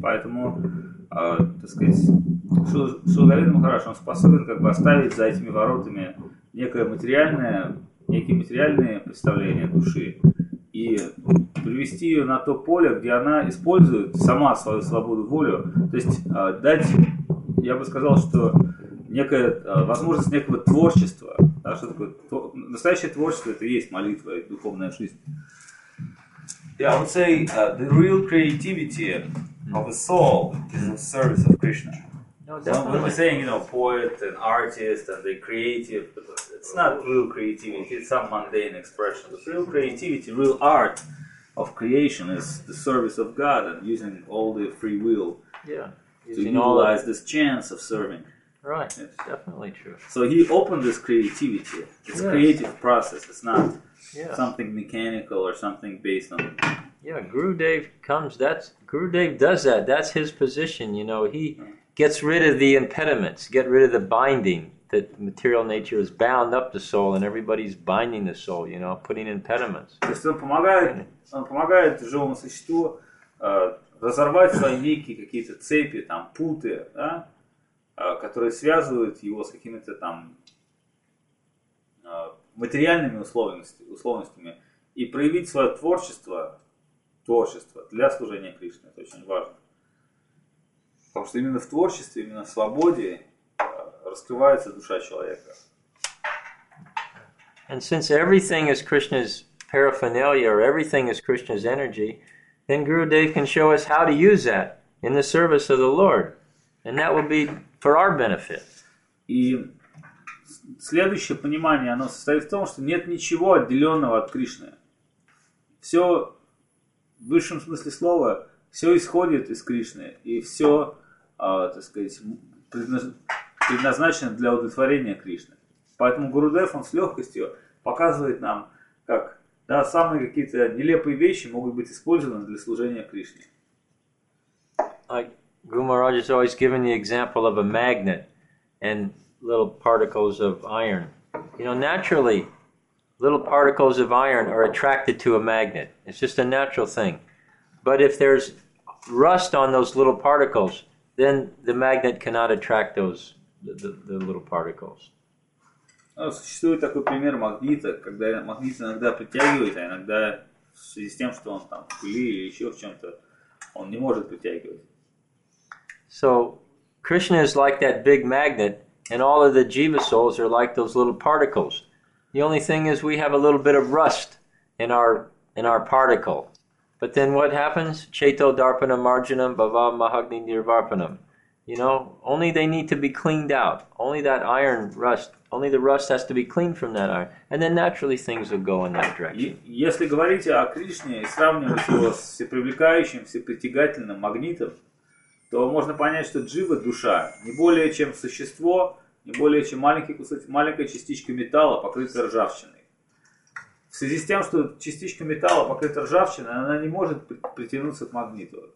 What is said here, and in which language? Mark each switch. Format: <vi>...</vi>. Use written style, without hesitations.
<ru>Поэтому, так сказать, Шилгавин Махараш, он способен как бы оставить за этими воротами некие материальные представления души и привести ее на то поле, где она использует сама свою свободу волю, то есть дать, я бы сказал, что некая возможность некого творчества, да, что такое настоящее творчество, это и есть молитва и духовная жизнь.</ru> <en>Yeah, I would say the real creativity of a soul is in service of Krishna. No, we're saying, you know, poet and artist and the creative, but it's not real creativity, it's some mundane expression. But real creativity, real art of creation is the service of God and using all the free will to utilize this chance of serving. Right, yes. Definitely true. So he opened this creativity. It's a creative process. It's not something mechanical or something based on... Yeah, Gurudev comes, Gurudev does that. That's his position, you know. He gets rid of the impediments, get rid of the binding, that material nature has bound up the soul and everybody's binding the soul, you know, putting impediments.</en> <ru>То есть он помогает живому существу разорвать свои некие какие-то цепи, там, путы, да, которые связывают его с какими-то там материальными условностями и проявить свое творчество для служения Кришне. Это очень важно. Потому что именно в творчестве, именно в свободе раскрывается душа человека.</ru> <en>And since everything is Krishna's paraphernalia, or everything is Krishna's energy, then Gurudev can show us how to use that in the service of the Lord. And that will be for our benefit.</en> <ru>И следующее понимание, оно состоит в том, что нет ничего отделенного от Кришны. Все, в высшем смысле слова, все исходит из Кришны. И все, так сказать, предназначено для удовлетворения Кришны. Поэтому Гурудев, он с легкостью показывает нам, как да, самые какие-то нелепые вещи могут быть использованы для служения Кришне.</ru> <en>Guru Maharaj has always given the example of a magnet and little particles of iron. You know, naturally, little particles of iron are attracted to a magnet. It's just a natural thing. But if there's rust on those little particles, then the magnet cannot attract those the little particles.</en> <ru>Существует такой пример магнита, когда магнит иногда притягивает, а иногда в связи с тем, что он там в пыли или еще в чем-то, он не может притягивать.</ru> <en>So, Krishna is like that big magnet, and all of the jiva souls are like those little particles. The only thing is we have a little bit of rust in our particle. But then what happens?</en> <sa>Cheto darpanam marjanam bhava mahagni nirvarpanam.</sa> <en>You know, only they need to be cleaned out. Only that iron rust, only the rust has to be cleaned from that iron. And then naturally things will go in that direction.</en> <ru>Если говорить о Кришне и сравнивать его с всепривлекающим, всепритягательным магнитом, то можно понять, что джива, душа, не более чем существо, не более чем маленькая частичка металла, покрытая ржавчиной. В связи с тем, что частичка металла покрыта ржавчиной, она не может притянуться к магниту.</ru>